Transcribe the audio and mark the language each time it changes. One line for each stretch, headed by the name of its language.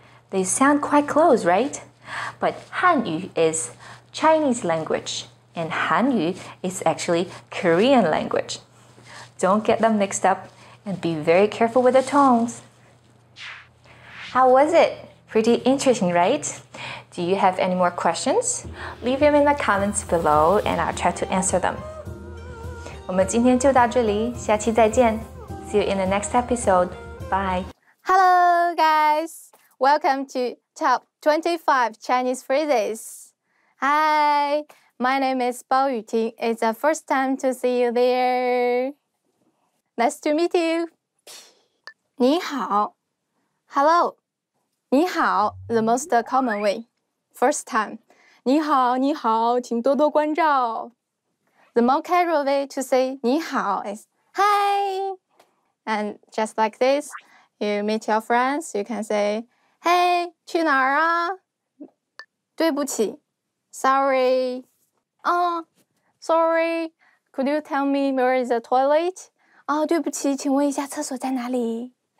English: They sound quite close, right? But Hanyu is Chinese language, and Hanyu is actually Korean language. Don't get them mixed up, and be very careful with the tones. How was it? Pretty interesting, right? Do you have any more questions? Leave them in the comments below, and I'll try to answer them.
Chinese: 我们今天就到这里，下期再见。
English: See you in the next episode. Bye. Hello, guys. Welcome to Top 25 Chinese Phrases. Hi, my name is Bao Yuting. It's the first time to see you there. Nice to meet you.
Chinese: 你好。
English: Hello. 你好 the most common way. First time.
Chinese: 你好你好请多多关照。
English: The more casual way to say 你好 is Hi. And just like this, you meet your friends, you can say,Hey, 去哪儿啊？
Chinese: 对不起
English: ，Sorry. Oh, sorry. Could you tell me where is the toilet?
Chinese: Oh, 对不起，请问一下厕所在哪里？